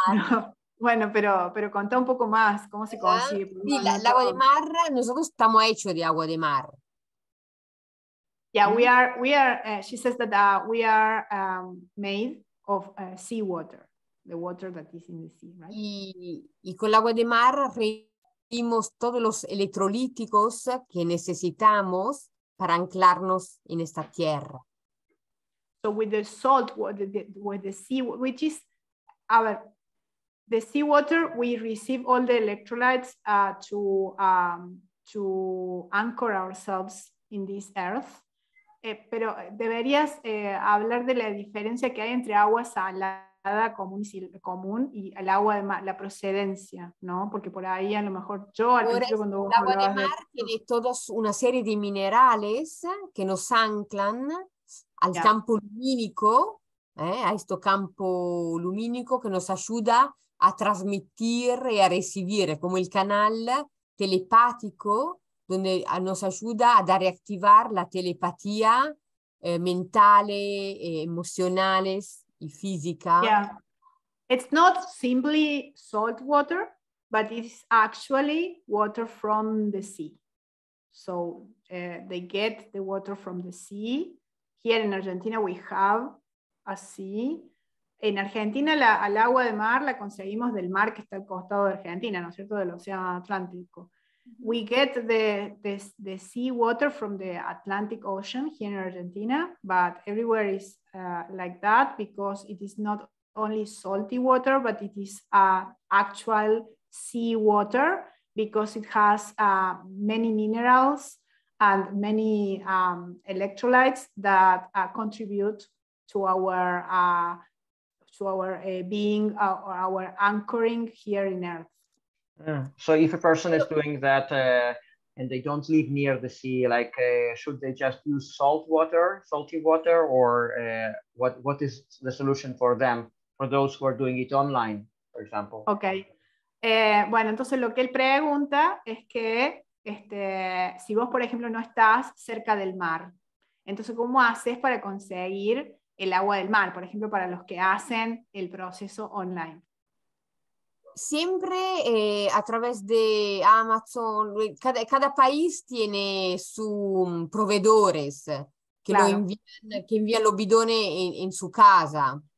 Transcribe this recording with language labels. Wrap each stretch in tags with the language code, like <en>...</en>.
<es>No, bueno, pero contá un poco más cómo se consigue. Sí, el agua de mar, nosotros estamos hechos de agua de mar.</es> <en>Yeah, she says that we are made of seawater, the water that is in the sea, right?</en> <es>Y con el agua de mar vimos todos los electrolíticos que necesitamos para anclarnos en esta tierra.</es> <en>So with the salt water, with the sea, which is,</en> <es>a ver,</es> <en>the seawater, we receive all the electrolytes to anchor ourselves in this earth.</en> <es>Pero deberías hablar de la diferencia que hay entre agua salada común y el agua de mar, la procedencia, ¿no? Porque por ahí a lo mejor yo al principio cuando el agua de mar tiene toda una serie de minerales que nos anclan al campo lumínico, a este campo lumínico que nos ayuda a transmitir y a recibir, como el canal telepático donde nos ayuda a reactivar la telepatía mentale, emocionales y física.</es> <en>Yeah, it's not simply salt water, but it's actually water from the sea. So they get the water from the sea. Here in Argentina we have a sea.</en> <es>En Argentina al agua de mar la conseguimos del mar que está al costado de Argentina, ¿no es cierto? Del Océano Atlántico.</es> <en>We get the sea water from the Atlantic Ocean here in Argentina, but everywhere is like that because it is not only salty water, but it is actual sea water because it has many minerals and many electrolytes that contribute to our being or our anchoring here in Earth. So if a person is doing that and they don't live near the sea, like should they just use salty water, or what is the solution for them, for those who are doing it online, for example? Okay.</en> <es>Bueno, entonces lo que él pregunta es que Si vos, por ejemplo, no estás cerca del mar, entonces, ¿cómo haces para conseguir el agua del mar, por ejemplo, para los que hacen el proceso online? Siempre a través de Amazon, cada país tiene sus proveedores que, claro, que envían los bidones en su casa.</es>